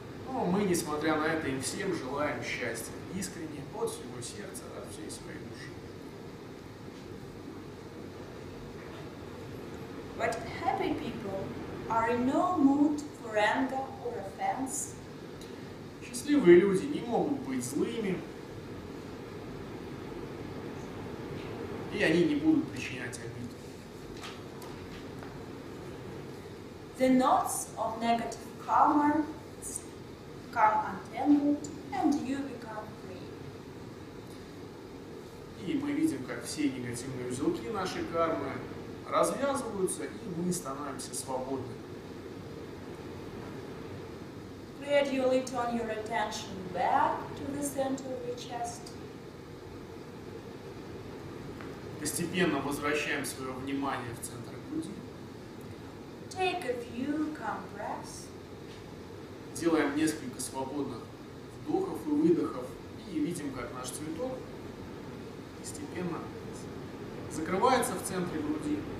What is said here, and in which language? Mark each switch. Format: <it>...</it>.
<ru>Но мы, несмотря на это, им всем желаем счастья искренне, от всего сердца, от всей своей души.</ru> <en>But happy people are in no mood for anger or offense.</en> <ru>Счастливые люди не могут быть злыми. И они не будут причинять обид.</ru> <en>The knots of negative karma come untangled, and you become free.</en> <ru>И мы видим, как все негативные узелки нашей кармы развязываются, и мы становимся свободны.</ru> <en>Gradually turn your attention back to the center of your chest.</en> <ru>Постепенно возвращаем свое внимание в центр груди.</ru> <en>Take a few compress.</en> <ru>Делаем несколько свободных вдохов и выдохов. И видим, как наш цветок постепенно закрывается в центре груди.</ru>